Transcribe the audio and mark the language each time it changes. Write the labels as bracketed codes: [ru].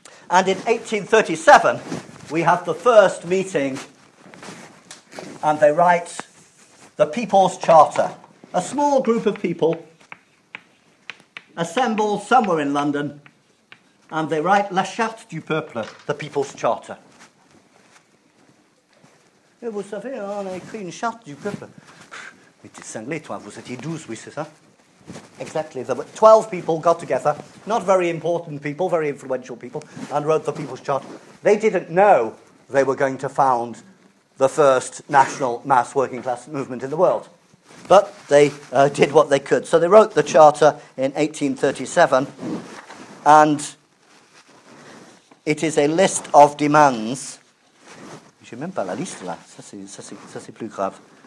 [en] And in 1837, we have the first meeting, and they write the People's Charter. A small group of people assemble somewhere in London, and they write [fr] La Charte du Peuple, [en] the People's Charter. [fr] Et vous savez, on a écrit une charte du peuple. Mais t'es cinglé, toi, vous étiez 12, oui, c'est ça? [en] Exactly, there were 12 people got together, not very important people, very influential people, and wrote the People's Charter. They didn't know they were going to found the first national mass working class movement in the world. But they did what they could. So they wrote the charter in 1837, and it is a list of demands. [fr] Je n'ai même pas la liste là, ça c'est plus grave.